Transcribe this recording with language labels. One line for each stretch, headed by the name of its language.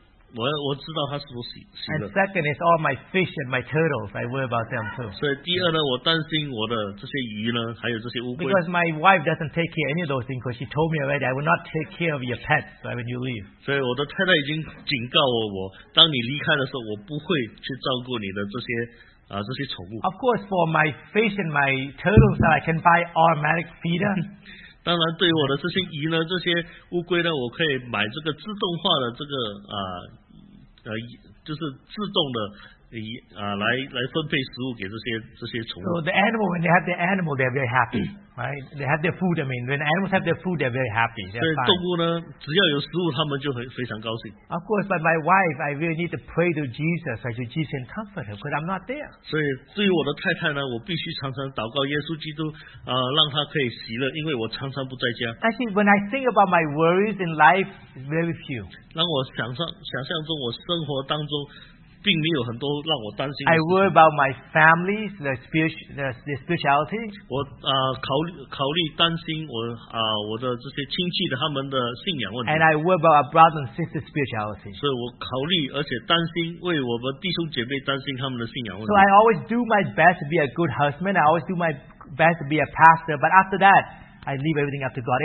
English: And second is all my fish and my turtles. I worry about them too.
Chinese: 所以第二呢, 我担心我的这些鱼呢, 还有这些乌龟,
English: because my wife doesn't take care of any of those things, because she told me already I will not take care of your pets when you leave.
Chinese: 所以我的太太已经警告我, 我, 当你离开的时候, 我不会去照顾你的这些, 啊, 这些宠物。
English: Of course, for my fish and my turtles, I can buy automatic feeder.
Chinese: 当然对我的这些鱼呢, 这些乌龟呢, 我可以买这个自动化的这个就是自动的来分配食物给这些宠物。
English: So the animal, when they have their animal, they're very happy, right? They have their food, I mean, when animals have their food, they're very happy.
Chinese: 所以动物呢, 只要有食物, 他们就非常高兴。
English: Of course, but my wife, I really need to pray to Jesus, I should Jesus and comfort her, because I'm not there.
Chinese: 所以对于我的太太呢, 我必须常常祷告耶稣基督, 让她可以喜乐, 因为我常常不在家。
English: Actually, when I think about my worries in life, it's very few.
Chinese: 让我想象中我生活当中,
English: I worry about my family, the spirituality.
Chinese: 我考虑担心我的这些亲戚的他们的信仰问题。
English: And I worry about our brother and sister spirituality.
Chinese: 所以我考虑而且担心为我们弟兄姐妹担心他们的信仰问题。
English: So I always do my best to be a good husband. I always do my best to be a pastor. But after that, I leave everything up to God.